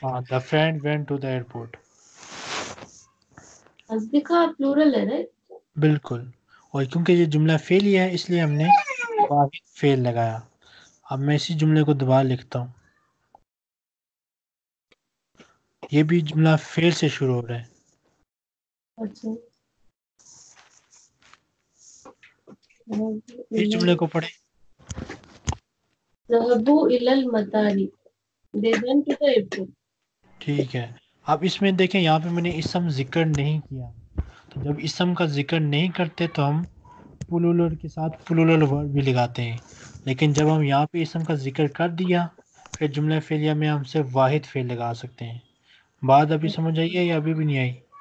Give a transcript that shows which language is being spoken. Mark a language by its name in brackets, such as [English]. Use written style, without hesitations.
[English] the friend went to the airport [Urdu] اصدقاء plural ہے [English] right [Urdu] بالکل اور کیونکہ یہ جملہ فیل ہے اس لیے ہم نے واحد فیل لگایا اب میں اسی جملے کو دوبارہ لکھتا ہوں یہ بھی جملہ فیل سے شروع ہو رہا ہے اچھا اس جملے کو پڑھیں [Arabic] ذهبوا الى المطار [English] they went to the airport [Urdu] ٹھیک ہے اب اس میں دیکھیں یہاں پہ میں نے اسم ذکر نہیں کیا تو جب اسم کا ذکر نہیں کرتے تو ہم پلولر کے ساتھ پلولر ورب بھی لگاتے ہیں لیکن جب ہم یہاں پہ اسم کا ذکر کر دیا پھر جملہ فعلیہ میں ہم سے واحد فعل لگا سکتے ہیں بات ابھی سمجھ آئی ہے یا ابھی بھی نہیں آئی